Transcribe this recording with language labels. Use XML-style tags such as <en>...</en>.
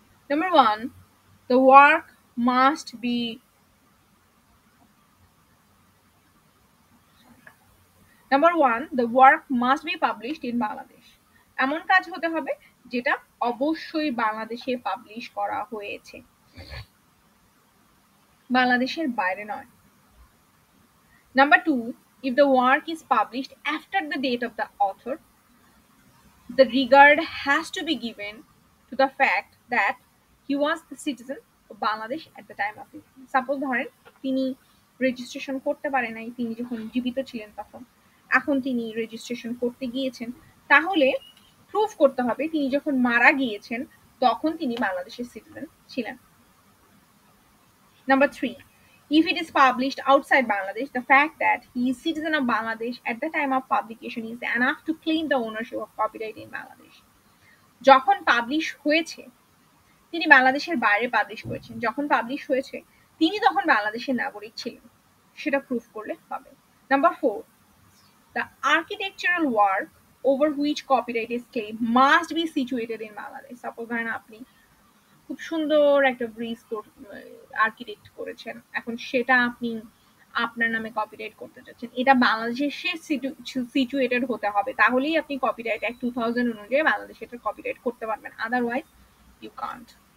<en>number one, the work must be, number one, the work must be published in Bangladesh,</en> <bn>এমন কাজ হতে হবে যেটা অবশ্যই বাংলাদেশে পাবলিশ করা হয়েছে, বাংলাদেশের বাইরে নয়।</bn> <en>Number two, if the work is published after the date of the author, the regard has to be given to the fact that he was the citizen of Bangladesh at the time of it.</en> <bn>Suppose ধরেন তিনি registration করতে পারে নাই, তিনি যখন জীবিত ছিলেন তখন, এখন তিনি registration করতে গিয়েছেন, তাহলে প্রুফ করতে হবে তিনি যখন মারা গিয়েছেন তখন তিনি বাংলাদেশের সিটিজেন ছিলেন।</bn> <en>Number three, if it is published outside Bangladesh, the fact that he is citizen of Bangladesh at the time of publication is enough to claim the ownership of copyright in Bangladesh.</en> <bn>যখন publish হয়েছে তিনি বাংলাদেশের বাইরে publish করেছেন, যখন publish হয়েছে তিনি তখন বাংলাদেশের নাগরিক ছিলেন, সেটা প্রুফ করলে হবে।</bn> <en>Number four, the architectural work over which copyright is claimed must be situated in Bangladesh.</en> <bn>Suppose ধরেন আপনি খুব সুন্দর একটা ব্রিজ আর্কিটেক্ট করেছেন, এখন সেটা আপনি আপনার নামে কপিরাইট করতে চাচ্ছেন, এটা বাংলাদেশে সে সিচুয়েটেড হতে হবে, তাহলেই আপনি কপিরাইট অ্যাক্ট 2000 অনুযায়ী বাংলাদেশে এটা কপিরাইট করতে পারবেন,</bn> <en>Otherwise you can't.</en>